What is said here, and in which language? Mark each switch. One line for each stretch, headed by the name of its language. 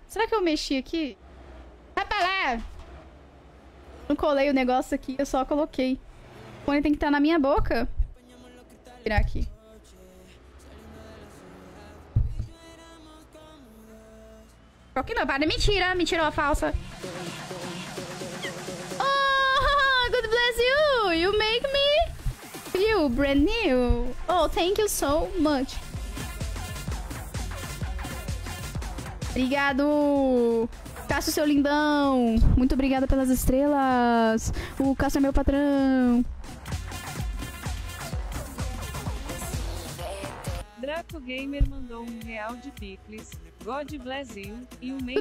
Portuguese: Será que eu mexi aqui? Vai parar! Não colei o negócio aqui, eu só coloquei. O fone tem que estar na minha boca. Vou virar aqui. Que não, para. Mentira, mentira, uma falsa.
English: Oh, God bless you. You make me feel brand new. Oh, thank you so much.
Portuguese: Obrigado, Cássio, seu lindão. Muito obrigada pelas estrelas. O Cássio é meu patrão. Draco Gamer mandou R$1 de picles.
English: God bless you.
Portuguese: E o make.